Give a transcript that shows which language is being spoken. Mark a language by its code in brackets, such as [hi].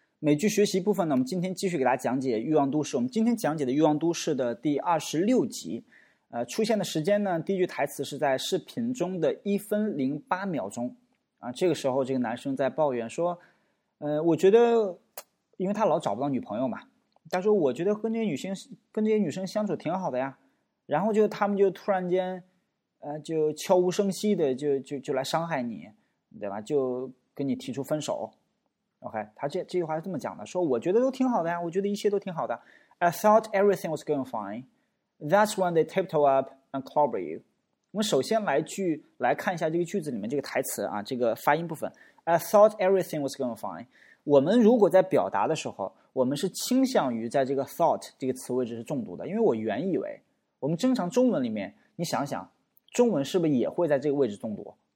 [zh] 美剧学习部分呢，我们今天继续给大家讲解《欲望都市》。我们今天讲解的《欲望都市》的第26集，出现的时间呢，第一句台词是在视频中的1分08秒，这个时候这个男生在抱怨说，我觉得，因为他老找不到女朋友嘛，他说我觉得跟这些女生相处挺好的呀，然后就他们就突然间，就悄无声息的就来伤害你，对吧？就跟你提出分手。OK， 他这句话是这么讲的，说我觉得都挺好的呀，我觉得一切都挺好的。 [en] I thought everything was going fine. That's when they tiptoe up and clobber you. [zh] 我们首先来看一下这个句子里面这个台词啊，这个发音部分。 [en] I thought everything was going fine. [zh] 我们如果在表达的时候，我们是倾向于在这个 thought 这个词位置是重读的，因为我原以为。我们正常中文里面，你想想，中文是不是也会在这个位置重读？